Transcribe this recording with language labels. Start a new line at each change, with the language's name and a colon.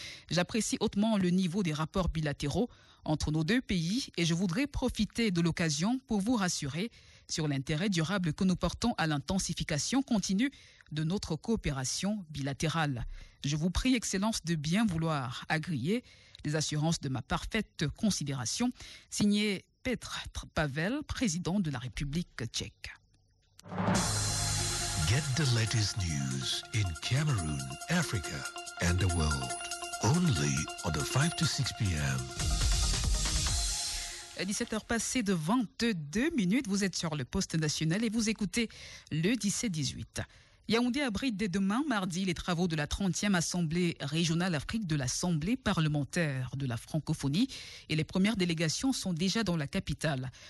French: J'apprécie hautement le niveau des rapports bilatéraux entre nos deux pays et je voudrais profiter de l'occasion pour vous rassurer sur l'intérêt durable que nous portons à l'intensification continue de notre coopération bilatérale. Je vous prie, Excellence, de bien vouloir agréer les assurances de ma parfaite considération. Signé Petr Pavel, président de la République tchèque.
English: Get the latest news in Cameroon, Africa and the world. Only on the 5 to 6 p.m.
French: 17h passées de 22 minutes, vous êtes sur le poste national et vous écoutez le 17-18. Yaoundé abrite dès demain, mardi, les travaux de la 30e Assemblée régionale Afrique de l'Assemblée parlementaire de la francophonie et les premières délégations sont déjà dans la capitale.